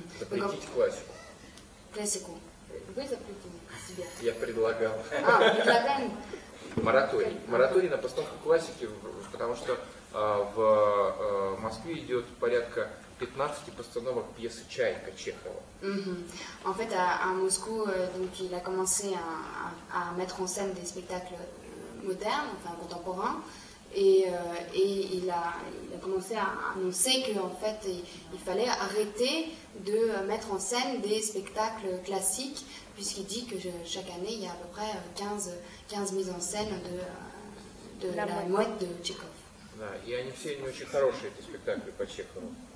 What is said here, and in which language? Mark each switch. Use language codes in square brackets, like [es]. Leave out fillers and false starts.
[ru] Запретить классику. Классику. Вы запретили себя? Я предлагал. Предлагаем? Мораторий. Мораторий на постановку классики, потому что в Москве идет порядка 15 постановок пьесы «Чайка» Чехова. [fr] En fait, à Moscou, donc il a commencé à mettre en scène des spectacles modernes, enfin contemporains, et il a commencé à annoncer que en fait il fallait arrêter de mettre en scène des spectacles classiques, puisqu'il dit que chaque année il y a à peu près 15 mises en scène de la mouette de Tchekhov. [ru] Да, и они все не очень хорошие, эти спектакли по Чехову.